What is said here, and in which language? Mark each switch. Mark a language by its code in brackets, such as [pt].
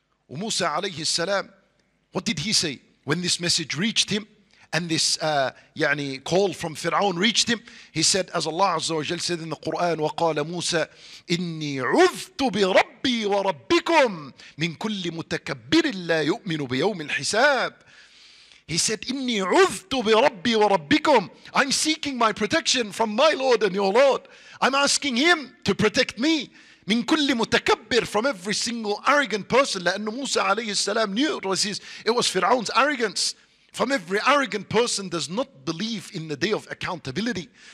[en] Musa alayhi salam, what did he say? When this message reached him and this call from Fir'aun reached him, he said, as Allah Azza wa Jal said in the Quran, [ar] وَقَالَ مُوسَى إِنِّي عُذْتُ بِرَبِّي وَرَبِّكُمْ مِنْ كُلِّ مُتَكَبِّرٍ لَا يُؤْمِنُ بِيَوْمِ الْحِسَابِ. [en] He said, [ar] إِنِّي عُذْتُ بِرَبِّي وَرَبِّكُمْ. [en] I'm seeking my protection from my Lord and your Lord. I'm asking him to protect me. [ar] مِنْ كُلِّ مُتَكَبِّرٍ, [en] from every single arrogant person. [ar] لَأَنَّ مُوسَى عَلَيْهِ السَّلَامِ [en] knew it was Fir'aun's arrogance. From every arrogant person does not believe in the day of accountability.